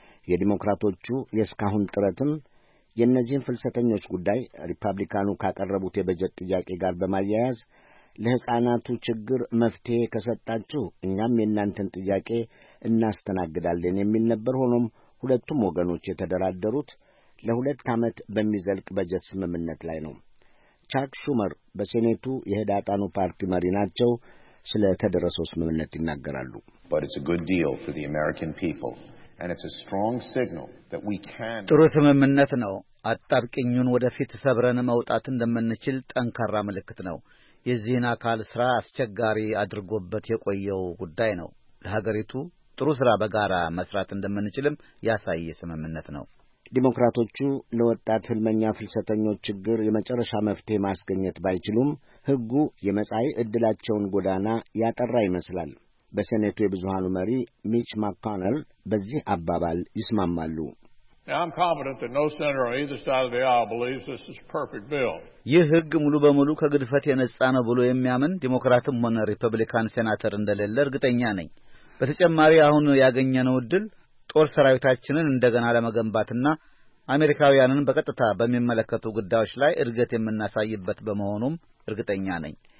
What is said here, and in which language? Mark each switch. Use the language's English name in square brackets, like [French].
[Amharic] የዲሞክራቶቹ የስካሁን ጥረትም የነዚህን ፍልሰተኞች ጉዳይ ሪፐብሊካኑ ካቀረቡት የበጀት ጥያቄ ጋር በማያያዝ ለሕፃናቱ ችግር መፍትሄ ከሰጣችሁ እኛም የእናንተን ጥያቄ እናስተናግዳለን የሚል ነበር። ሆኖም ሁለቱም ወገኖች የተደራደሩት ለሁለት ዓመት በሚዘልቅ በጀት ስምምነት ላይ ነው። ቻክ ሹመር በሴኔቱ የህዳጣኑ ፓርቲ መሪ ናቸው ስለ ተደረሰው ስምምነት ይናገራሉ። [English] But it's a good deal for the American people and it's a strong signal that we can [Amharic] ጥሩ ስምምነት ነው። አጣብቂኙን ወደፊት ሰብረን መውጣት እንደምንችል ጠንካራ ምልክት ነው። የዚህን አካል ስራ አስቸጋሪ አድርጎበት የቆየው ጉዳይ ነው። ለሀገሪቱ ጥሩ ስራ በጋራ መስራት እንደምንችልም ያሳየ ስምምነት ነው። ዲሞክራቶቹ ለወጣት ህልመኛ ፍልሰተኞች ችግር የመጨረሻ መፍትሄ ማስገኘት ባይችሉም ህጉ የመጻይ እድላቸውን ጎዳና ያጠራ ይመስላል። በሴኔቱ የብዙሃኑ መሪ ሚች ማካነል በዚህ አባባል ይስማማሉ። [English] I'm confident that no senator on either side of the aisle believes this is a perfect bill. [Amharic] ይህ ህግ ሙሉ በሙሉ ከግድፈት የነጻ ነው ብሎ የሚያምን ዲሞክራትም ሆነ ሪፐብሊካን ሴናተር እንደሌለ እርግጠኛ ነኝ። በተጨማሪ አሁን ያገኘነው ድል ጦር ሰራዊታችንን እንደገና ለመገንባትና አሜሪካውያንን በቀጥታ በሚመለከቱ ጉዳዮች ላይ እርግጥ የምናሳይበት በመሆኑም እርግጠኛ ነኝ።